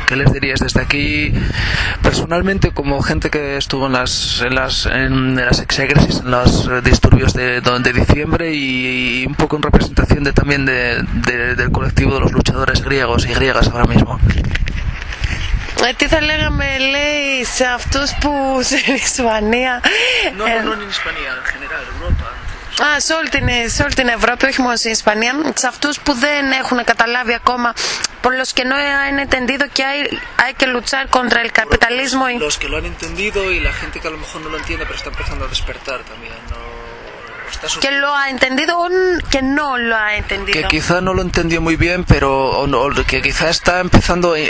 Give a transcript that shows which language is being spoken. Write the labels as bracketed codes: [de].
[es] ¿Qué les diríais desde aquí, personalmente, como gente que estuvo en las exégesis, en los disturbios de diciembre, y un poco en representación de, también del colectivo de los luchadores griegos y griegas ahora mismo? [el] Τι θα λέγαμε, λέει, σε αυτούς που σε Ισπανία... Νόν, Ισπανία, general, Ευρώπη. Σε όλη την Ευρώπη, όχι μόνο στην Ισπανία. Σε αυτούς που δεν έχουν καταλάβει ακόμα. [es] Por los que no han entendido que hay que luchar contra el capitalismo. Los que lo han entendido y la gente que a lo mejor no lo entiende, pero está empezando a despertar también, ¿no? Que lo ha entendido o que no lo ha entendido. Que quizá no lo entendió muy bien, pero que quizá está empezando...